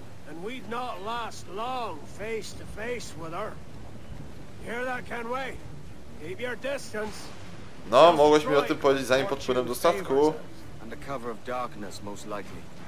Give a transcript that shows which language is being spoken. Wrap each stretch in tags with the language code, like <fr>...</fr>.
<en>And we'd not last long face to face with her. You hear that, Kenway? Keep your distance.</en> <pl>No, mogłeś mi o tym powiedzieć, zanim podpłynę do statku.</pl> <en>And the cover of darkness, most likely.</en>